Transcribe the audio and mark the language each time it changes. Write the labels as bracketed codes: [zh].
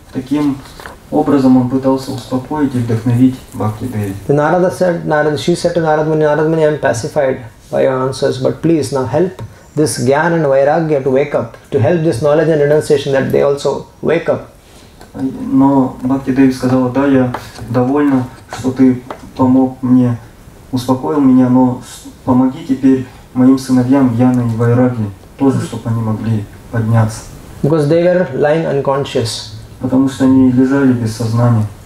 [ru] Таким образом он пытался успокоить и вдохновить Bhakti Devi. [en] The Narada said, she said to Narad Muni, I am pacified by your answers, but please now help this jnana and vairagya to wake up, to help this knowledge and renunciation that they also wake up. [ru] Но Бхакти Деви сказала, да, я довольна, что ты помог мне, успокоил меня, но помоги теперь моим сыновьям, jnana и vairagya, тоже, чтобы они могли подняться. [en] Because they were lying unconscious. [ru] Потому что они лежали без сознания.